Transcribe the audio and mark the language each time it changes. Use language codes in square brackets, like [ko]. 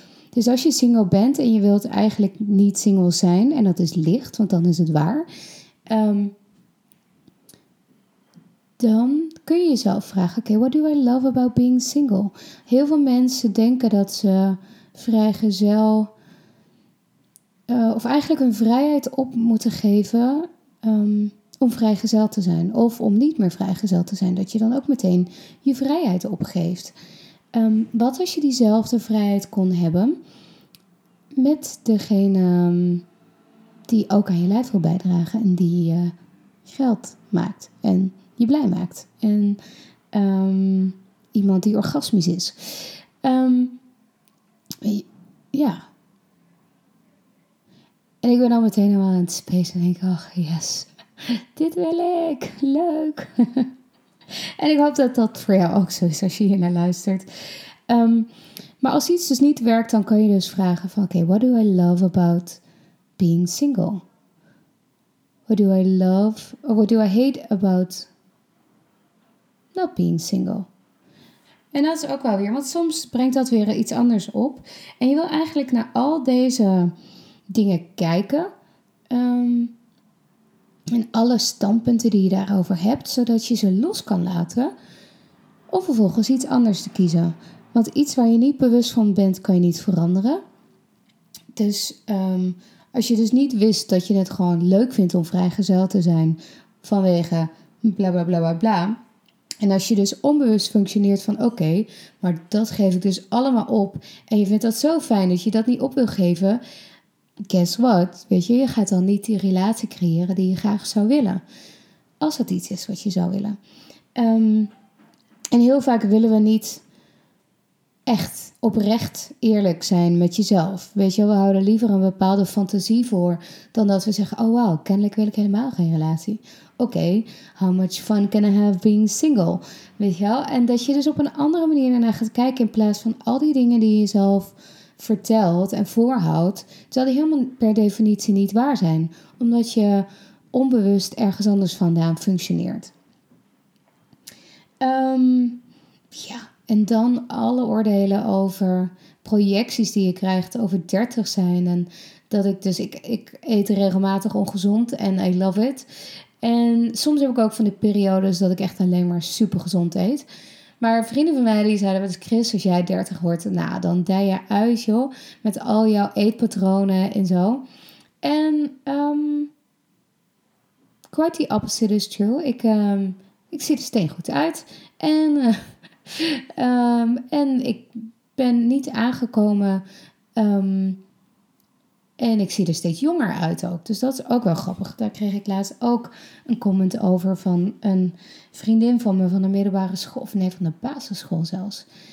[nl] Dus als je single bent en je wilt eigenlijk niet single zijn... En dat is licht, want dan is het waar. Dan kun je jezelf vragen... [en] Okay, what do I love about being single? [nl] Heel veel mensen denken dat ze vrijgezel... Of eigenlijk hun vrijheid op moeten geven... om vrijgezel te zijn of om niet meer vrijgezel te zijn... dat je dan ook meteen je vrijheid opgeeft. Wat als je diezelfde vrijheid kon hebben... met degene die ook aan je lijf wil bijdragen... en die je geld maakt en je blij maakt. En iemand die orgasmisch is. Ja. En ik ben dan meteen helemaal aan het spacen en denk... ach, yes... Dit wil ik. Leuk. En ik hoop dat dat voor jou ook zo is als je hier naar luistert. Maar als iets dus niet werkt, dan kan je dus vragen van... [en] Okay, what do I love about being single? What do I love... Or what do I hate about not being single? [nl] En dat is ook wel weer... Want soms brengt dat weer iets anders op. En je wil eigenlijk naar al deze dingen kijken... En alle standpunten die je daarover hebt, zodat je ze los kan laten. Of vervolgens iets anders te kiezen. Want iets waar je niet bewust van bent, kan je niet veranderen. Dus als je dus niet wist dat je het gewoon leuk vindt om vrijgezel te zijn vanwege bla bla bla bla bla. En als je dus onbewust functioneert van okay, maar dat geef ik dus allemaal op. En je vindt dat zo fijn dat je dat niet op wil geven... [en] Guess what? [nl] Weet je, je gaat dan niet die relatie creëren die je graag zou willen. Als het iets is wat je zou willen. En heel vaak willen we niet echt oprecht eerlijk zijn met jezelf. Weet je, we houden liever een bepaalde fantasie voor dan dat we zeggen... Oh wow, kennelijk wil ik helemaal geen relatie. [en] Okay, how much fun can I have being single? [nl] Weet je wel? En dat je dus op een andere manier ernaar gaat kijken in plaats van al die dingen die jezelf... vertelt en voorhoudt, terwijl die helemaal per definitie niet waar zijn. Omdat je onbewust ergens anders vandaan functioneert. Ja, en dan alle oordelen over projecties die je krijgt over 30 zijn. En dat ik dus, ik eet regelmatig ongezond en [en] I love it. [nl] En soms heb ik ook van die periodes dat ik echt alleen maar supergezond eet. Maar vrienden van mij die zeiden, Chris, als jij 30 wordt, nou, dan dij je uit, joh. Met al jouw eetpatronen en zo. En [en] quite the opposite is true. [nl] Ik zie er steengoed uit. En, en ik ben niet aangekomen. En ik zie er steeds jonger uit ook. Dus dat is ook wel grappig. Daar kreeg ik laatst ook een comment over van een vriendin van me van de middelbare school. Of nee, van de basisschool zelfs.